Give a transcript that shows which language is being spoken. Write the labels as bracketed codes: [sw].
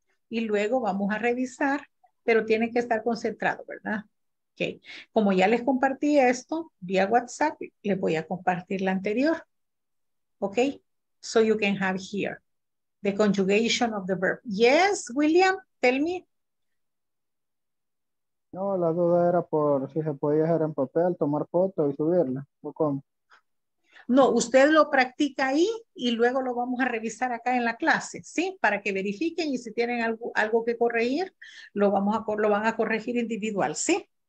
[es] Y luego vamos a revisar, pero tiene que estar concentrado, ¿verdad? Okay. Como ya les compartí esto vía WhatsApp, les voy a compartir la anterior. [en] Okay, so you can have here the conjugation of the verb. Yes, William, tell me. [es] No, la duda era por si se podía hacer en papel, tomar foto y subirla, o cómo. No, usted lo practica ahí y luego lo vamos a revisar acá en la clase, ¿sí? Para que verifiquen y si tienen algo que corregir, lo van a corregir individual, ¿sí?